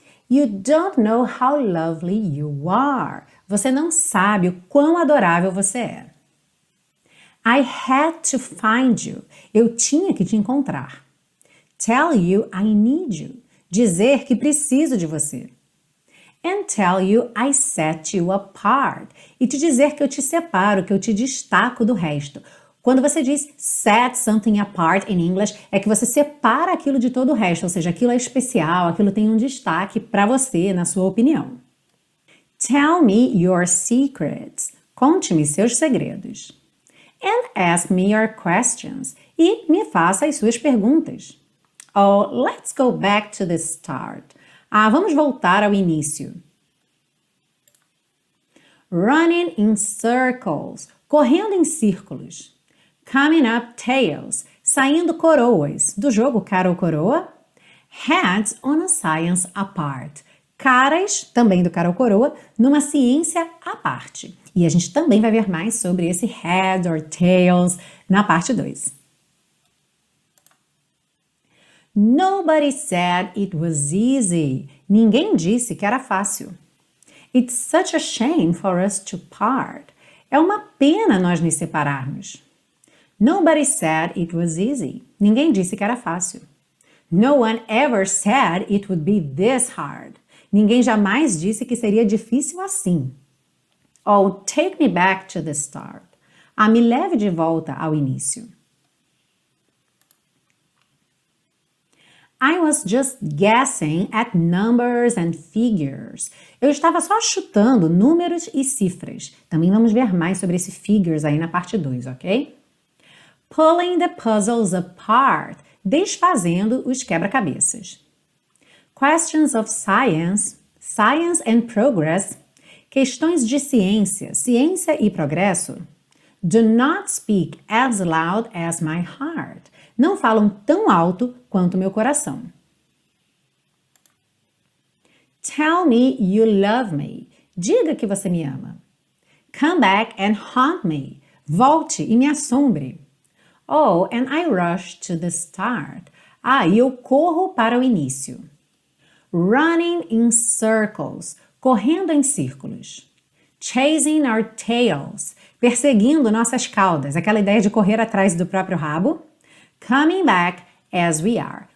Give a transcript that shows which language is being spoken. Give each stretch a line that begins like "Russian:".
English: You don't know how lovely you are.
Portuguese: Você não sabe o quão adorável você é.
English: I had to find you.
Portuguese: Eu tinha que te encontrar.
English: Tell you I need you.
Portuguese: Dizer que preciso de você.
English: And tell you I set you apart.
Portuguese: E te dizer que eu te separo, que eu te destaco do resto. Quando você diz
English: set something apart in English,
Portuguese: é que você separa aquilo de todo o resto, ou seja, aquilo é especial, aquilo tem um destaque para você, na sua opinião.
English: Tell me your secrets.
Portuguese: Conte-me seus segredos.
English: And ask me your questions.
Portuguese: E me faça as suas perguntas.
English: Oh, let's go back to the start.
Portuguese: Ah, vamos voltar ao início.
English: Running in circles.
Portuguese: Correndo em círculos.
English: Coming up tails.
Portuguese: Saindo coroas. Do jogo cara ou coroa.
English: Heads on a science apart.
Portuguese: Caras, também do cara ou coroa, numa ciência à parte. E a gente também vai ver mais sobre esse head or tails na parte 2.
English: Nobody said it was easy.
Portuguese: Ninguém disse que era fácil.
English: It's such a shame for us to part.
Portuguese: É uma pena nós nos separarmos.
English: Nobody said it was easy.
Portuguese: Ninguém disse que era fácil.
English: No one ever said it would be this hard.
Portuguese: Ninguém jamais disse que seria difícil assim.
English: Oh, take me back to the start.
Portuguese: Ah, me leve de volta ao início.
English: I was just guessing at numbers and figures.
Portuguese: Eu estava só chutando números e cifras. Também vamos ver mais sobre esse
English: figures
Portuguese: aí na parte 2, ok?
English: Pulling the puzzles apart.
Portuguese: Desfazendo os quebra-cabeças.
English: Questions of science. Science and progress.
Portuguese: Questões de ciência. Ciência e progresso.
English: Do not speak as loud as my heart.
Portuguese: Não falam tão alto quanto meu coração.
English: Tell me you love me.
Portuguese: Diga que você me ama.
English: Come back and haunt me.
Portuguese: Volte e me assombre.
English: Oh, and I rush to the start.
Portuguese: Ah, e eu corro para o início.
English: Running in circles.
Portuguese: Correndo em círculos.
English: Chasing our tails.
Portuguese: Perseguindo nossas caudas. Aquela ideia de correr atrás do próprio rabo.
English: Coming back as we are.